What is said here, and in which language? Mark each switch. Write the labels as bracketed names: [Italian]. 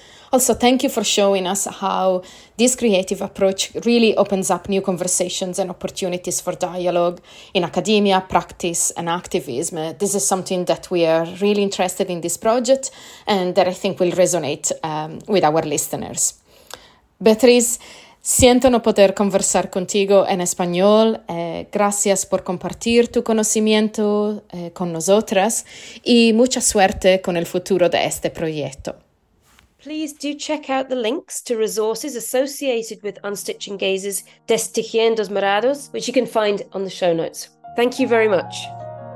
[English] Also, thank you for showing us how this creative approach really opens up new conversations and opportunities for dialogue in academia, practice, and activism. This is something that we are really interested in this project and that I think will resonate with our listeners. [Spanish] Beatriz, siento no poder conversar contigo en español. Gracias por compartir tu conocimiento con nosotras y mucha suerte con el futuro de este proyecto. [English] Please do check out the links to resources associated with Unstitching Gaze's Destejiendo Morados, which you can find on the show notes. Thank you very much.